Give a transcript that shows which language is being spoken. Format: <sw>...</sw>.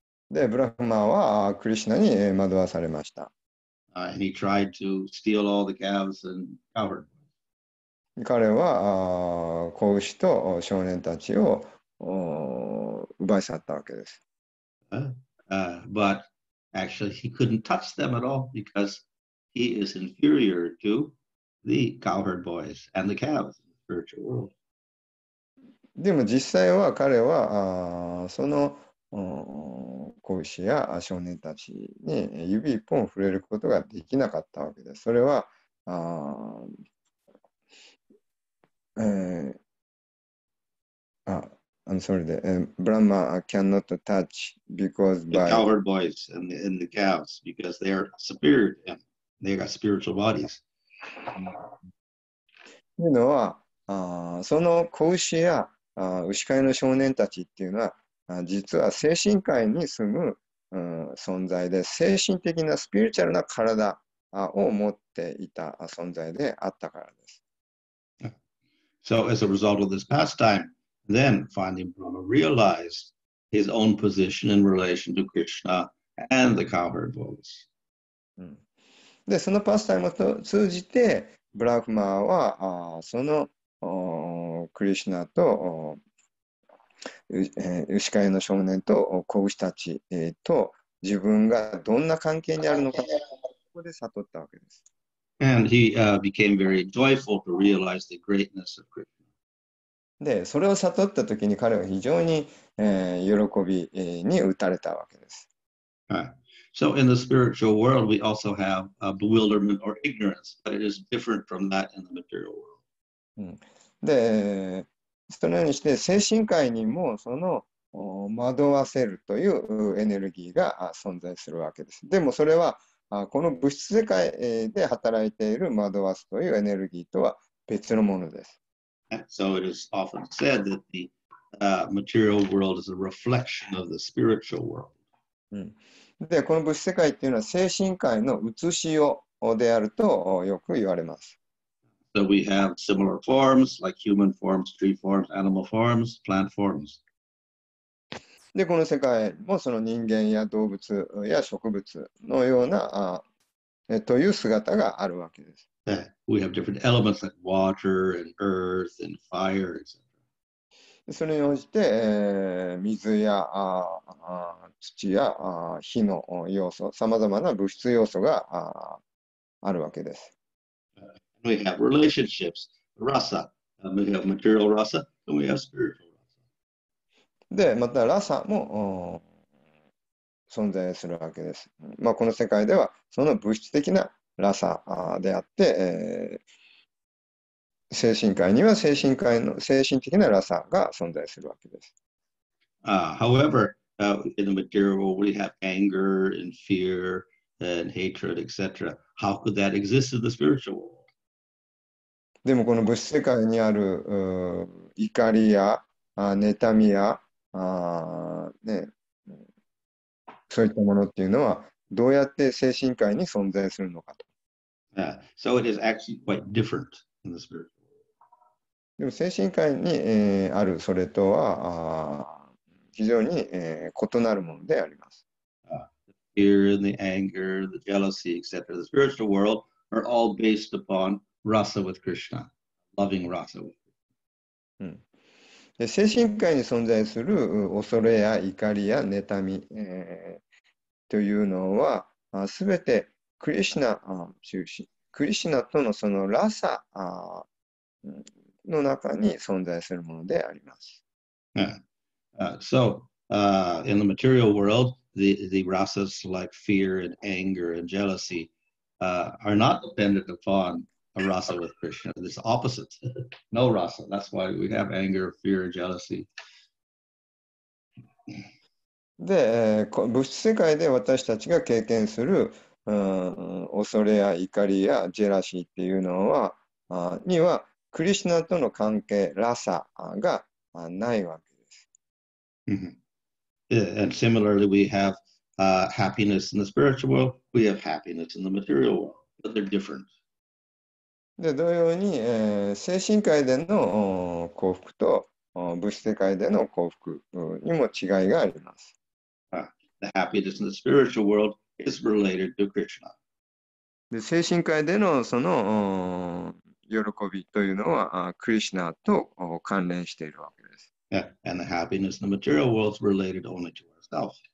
<ja>で、ブラフマはクリシナに惑わされました。</ja> <en>And he tried to steal all the calves and cowherd.</en> <ja>彼は、子牛と少年たちを奪い去ったわけです。</ja> <en>But actually he couldn't touch them at all because he is inferior to the cowherd boys and the calves in the spiritual world.</en> <ja>でも実際は彼はその子牛や少年たちに指一本触れることができなかったわけです。それは、</ja> <en>I'm sorry, Brahma cannot touch because by... The cowherd boys and the calves, because they are superior to him. They got spiritual bodies.</en> <ja>というのは、その子牛や牛飼いの少年たちっていうのは、実は精神界に住む存在で、精神的なスピリチュアルな体を持っていた存在であったからです。</ja> <en>So as a result of this pastime,Then finally Brahma realized his own position in relation to Krishna and the cowherd boys.</en> <ja>で、そのパスタイムを通じて、ブラフマーは、そのクリシナと牛飼いの少年と子牛たちと自分がどんな関係にあるのかここで悟ったわけです。</ja> <en>And he became very joyful to realize the greatness of Krishna.</en> <ja>で、それを悟ったときに彼は非常に、喜びに打たれたわけです。</ja> <en>So in the spiritual world, we also have a bewilderment or ignorance, but it is different from that in the material world.</en> <ja>で、そのようにして精神界にもその惑わせるというエネルギーが存在するわけです。でもそれはこの物質世界で働いている惑わすというエネルギーとは別のものです。</ja> <en>So it is often said that the material world is a reflection of the spiritual world.</en> <ja>で、この物質世界っていうのは精神界の写しであるとよく言われます。</ja> <en>So we have similar forms, like human forms, tree forms, animal forms, plant forms.</en> <ja>で、この世界もその人間や動物や植物のようなという姿があるわけです。</ja> <en>We have different elements like water and earth and fire, etc.</en> <ja>それに応じて、水や土や火の要素、さまざまな物質要素が あるわけです。</ja> <en>We have relationships, rasa. We have material rasa, and we have spiritual rasa.</en> <ja>で、またラサも存在するわけです。まあ、この世界ではその物質的なラサであって、精神界には精神界の精神的なラサが存在するわけです。</ja> <en>However, in the material world, we have anger and fear and hatred, etc. How could that exist in the spiritual world?</en> <ja>でもこの物質世界にある怒りや妬みや、ね、そういったものっていうのはどうやって精神界に存在するのかと。</ja> <en>So it is actually quite different in the spirit.</en> <ja>でも精神界に、あるそれとは非常に、異なるものであります。</ja> <en>The fear, the anger, the jealousy, etc. The spiritual world are all based uponRasa with Krishna, loving Rasa with.</en> <ja>精神界に存在する恐れや怒りや妬み、というのは、すべてクリシナ中心、クリシナとのそのラサの中に存在するものであります。</ja> <en>In the material world, the rasas like fear and anger and jealousy, are not dependent upon. A rasa with Krishna. This opposite. No rasa. That's why we have anger, fear, jealousy.</en> <ja>で、物質世界で私たちが経験する、恐れや怒りやジェラシーっていうのは、にはクリシナとの関係、ラサがないわけです。</ja> <en>And similarly, we have happiness in the spiritual world. We have happiness in the material world. But they're different.</en> <ja>で同様に、精神界での幸福と物質世界での幸福にも違いがあります。</ja> <en>The happiness in the spiritual world is related to Krishna.</en> <ja>で精神界でのその喜びというのはクリシナと関連しているわけです。</ja> <en>Yeah. And the happiness in the material world is related only to ourselves.</en>